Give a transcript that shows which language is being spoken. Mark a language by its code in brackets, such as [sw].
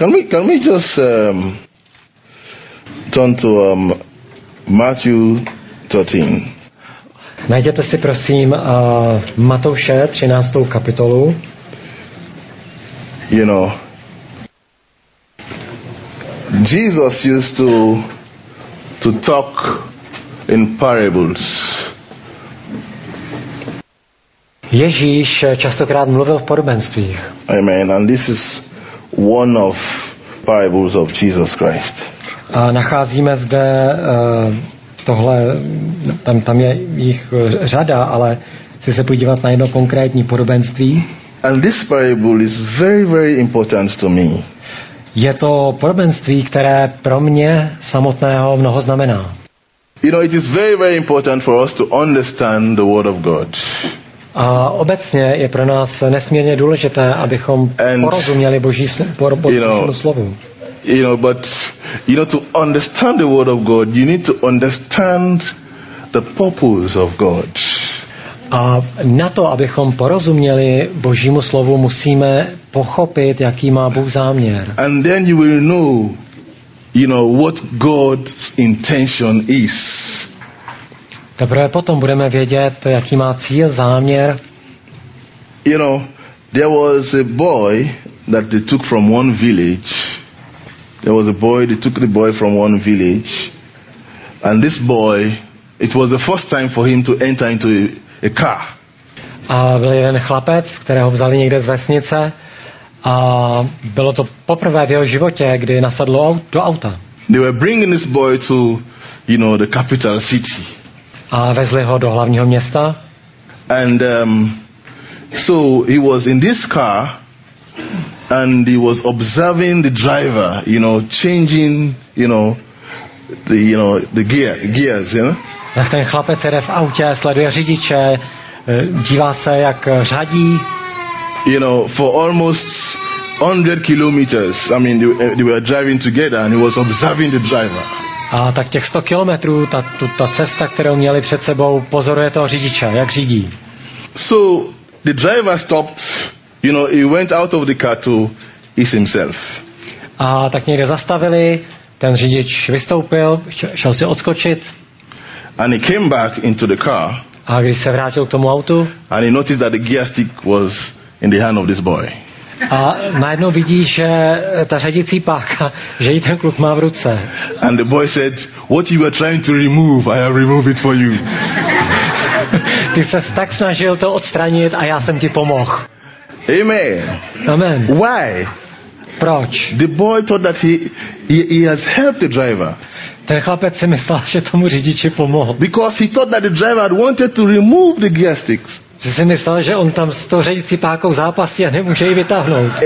[en] Can we just turn to Matthew 13. [cs] Najděte si prosím Matouše 13. kapitolu. [en] You know, Jesus used to talk in parables. [cs] Ježíš častokrát mluvil v podobenstvích. Amen. [en] And this is one of parables of Jesus Christ. [cs] A nacházíme zde tohle, tam je jich řada, ale chci se podívat na jedno konkrétní podobenství. [en] And this parable is very, very important to me. [cs] Je to podobenství, které pro mě samotného mnoho znamená. [en] You know, it is very, very important for us to understand the word of God. [cs] A obecně je pro nás nesmírně důležité, abychom porozuměli Boží slovu. [en] You know, but you know, to understand the word of God, you need to understand the purpose of God. [cs] A na to, abychom porozuměli Božímu slovu, musíme pochopit, jaký má Bůh záměr. [en] And then you will know, you know, what God's intention is. [cs] Teprve potom budeme vědět, jaký má cíl, záměr. [en] You know, there was a boy that they took from one village. There was a boy, they took the boy from one village. And this boy, it was the first time for him to enter into a car. [cs] A byl jeden chlapec, kterého vzali někde z vesnice. A bylo to poprvé v jeho životě, kdy nasadlo do auta. [en] They were bringing this boy to, you know, the capital city. [cs] A vezli ho do hlavního města. [en] And so he was in this car and he was observing the driver, you know, changing, you know, the, you know, the gears, you know. [cs] Tak ten chlapec jede v autě, sleduje řidiče, dívá se, jak řadí. [en] You know, for almost 100 kilometers, I mean, they were driving together and he was observing the driver. [cs] A tak těch 100 kilometrů, ta cesta, kterou měli před sebou, pozoruje toho řidiče, jak řídí. [en] So, the driver stopped, you know, he went out of the car to ease himself. [cs] A tak někde zastavili, ten řidič vystoupil, šel si odskočit. [en] And he came back into the car. [cs] A když se vrátil k tomu autu. [en] And he noticed that the gear stick was in the hand of this boy. [cs] A najednou vidí, že ta řadicí páka, že jí ten kluk má v ruce. [en] And the boy said, what you were trying to remove, I have removed it for you. [cs] Ty ses tak snažil to odstranit a já jsem ti pomohl. Amen. Amen. [en] Why? [cs] Proč? [en] The boy thought that he has helped the driver. [cs] Ten chlapec si myslel, že tomu řidiči pomohl. [en] Because he thought that the driver had wanted to remove the gear sticks. [cs] Že si myslel, že on tam s tou řadicí pákou zápasí a nemůže ji vytáhnout.